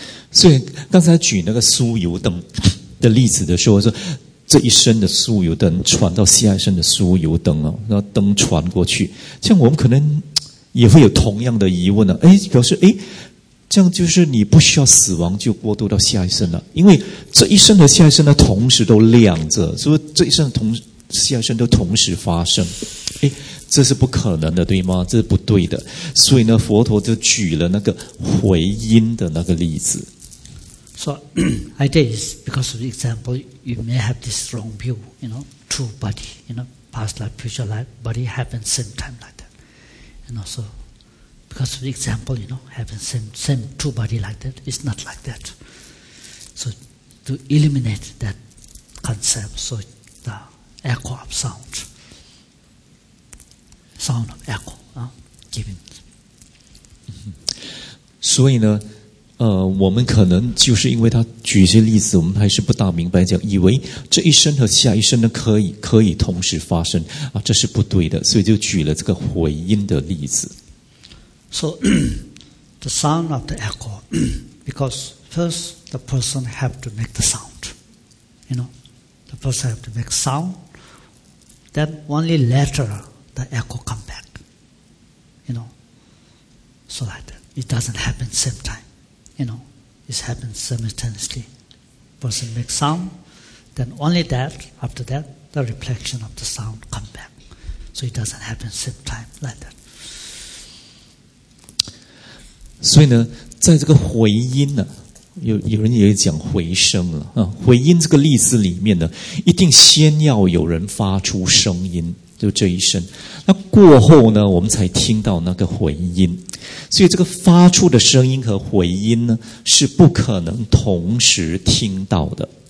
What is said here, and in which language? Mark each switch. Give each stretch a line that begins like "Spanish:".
Chinese: 所以刚才举那个酥油灯的例子的时候，说这一生的酥油灯传到下一生的酥油灯，然后灯传过去，像我们可能也会有同样的疑问，表示这样就是你不需要死亡就过渡到下一生了，因为这一生和下一生呢同时都亮着，所以这一生同下一生都同时发生，这是不可能的，对吗？这是不对的。所以呢佛陀就举了那个回音的那个例子。
English: So idea is because of the example you may have this wrong view, you know, true body, you know, past life, future life, body happens same time like that, you know, soBecause of the example, you know, having same two body like that, it's not like that. So to eliminate that concept, so the echo of sound of echo, given.
Chinese: 所以呢，我们可能就是因为他举一些例子，我们还是不大明白，讲以为这一生和下一生呢可以同时发生啊，这是不对的，所以就举了这个回音的例子。
English: So, the sound of the echo, because first the person have to make the sound, you know, the person have to make sound, then only later the echo come back, you know, so like that. It doesn't happen same time, you know, it happens simultaneously. Person make sound, then only that, after that, the reflection of the sound come back. So it doesn't happen same time like that.
Chinese: 所以呢在这个回音呢、有人也讲回声了、回音这个例子里面呢一定先要有人发出声音，就这一声，那过后呢我们才听到那个回音，所以这个发出的声音和回音呢是不可能同时听到的。